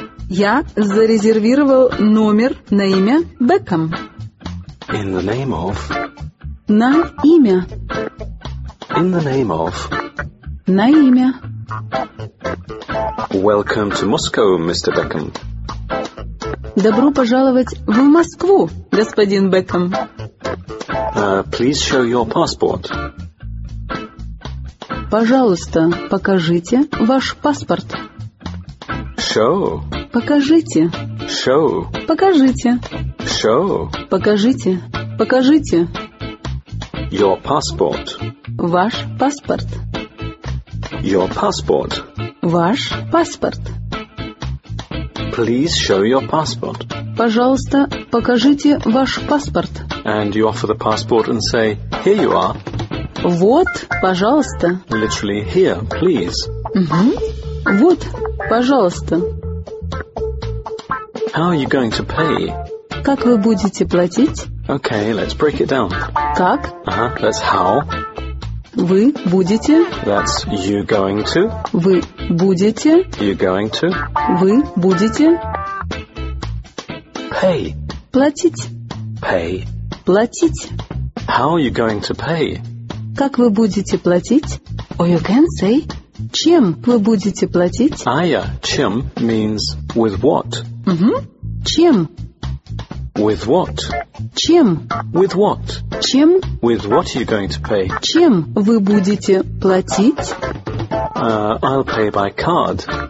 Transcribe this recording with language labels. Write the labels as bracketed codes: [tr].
[ru] Я зарезервировал номер на имя Beckham. [en] In the name of. [ru] На имя. [en] In the name of. [ru] На имя. [en] Welcome to Moscow, Mr. Beckham. [ru] Добро пожаловать в Москву, господин Beckham. [en] Please show your passport. [ru] Пожалуйста, покажите ваш паспорт. [en] Show. [ru] Покажите. [en] Show. [ru] Покажите. [en] Show. [ru] Покажите. Покажите. [en] Your passport. [ru] Ваш паспорт. [en] Your passport. [ru] Ваш паспорт. [en] Please show your passport. [ru] Пожалуйста, покажите ваш паспорт. [en] And you offer the passport and say, here you are. [ru] Вот, пожалуйста. [en] Literally, here, please. [ru] Угу. Вот, пожалуйста. [en] How are you going to pay? [ru] Как вы будете платить? [en] Okay, let's break it down. [ru] Как? [en] That's how. [ru] Вы будете. [en] That's you going to. [ru] Вы будете. [en] You going to. [ru] Вы будете. [en] Pay. [ru] Платить. [en] Pay. [ru] Платить. [en] How are you going to pay? [ru] Как вы будете платить? [en] Or you can say, [ru] чем вы будете платить? [en] Aya, чем means with what. [ru] Mm-hmm. Чем? [en] With what? [ru] Чем? [en] With what? [ru] Чем? [en] With what are you going to pay? [ru] Чем вы будете платить? [en] I'll pay by card.